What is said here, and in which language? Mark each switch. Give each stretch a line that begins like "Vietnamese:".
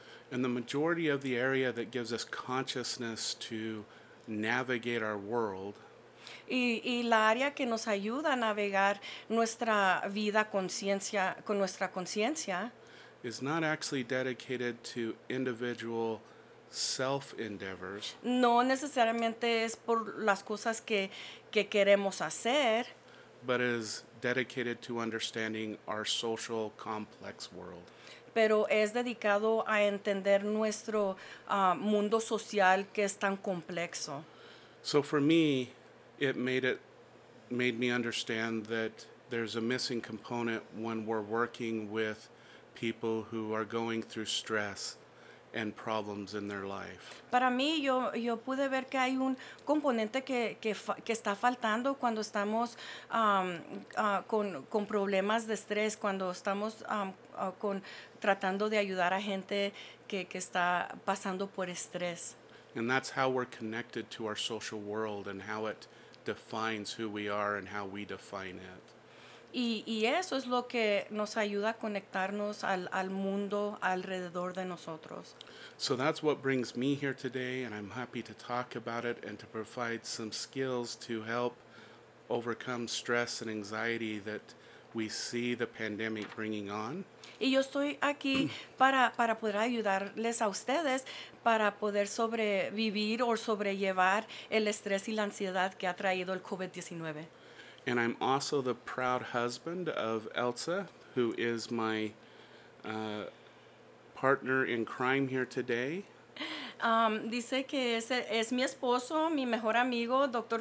English: And the majority of the area that gives us consciousness to navigate our world.
Spanish: Y la área que nos ayuda a navegar nuestra vida conciencia con nuestra conciencia
English: is not actually dedicated to individual self endeavors.
Spanish: No necesariamente es por las cosas que queremos hacer,
English: but is dedicated to understanding our social complex world.
Spanish: Pero es dedicado a entender nuestro mundo social que es tan complejo.
English: So for me, it made me understand that there's a missing component when we're working with people who are going through stress and problems in their life.
Spanish: Para mí, yo pude ver que hay un componente que está faltando cuando estamos con problemas de estrés, cuando estamos con tratando de ayudar a gente que está pasando por estrés.
English: And that's how we're connected to our social world and how it defines who we are and how we define it.
Spanish: Y eso es lo que nos ayuda a conectarnos al mundo alrededor de nosotros.
English: So that's what brings me here today, and I'm happy to talk about it and to provide some skills to help overcome stress and anxiety that we see the pandemic bringing on.
Spanish: Y yo estoy aquí para poder ayudarles a ustedes para poder sobrevivir o sobrellevar el estrés y la ansiedad que ha traído el COVID-19.
English: And I'm also the proud husband of Elsa, who is my partner in crime here today.
Spanish: Dice que es mi esposo, mi mejor amigo, Dr.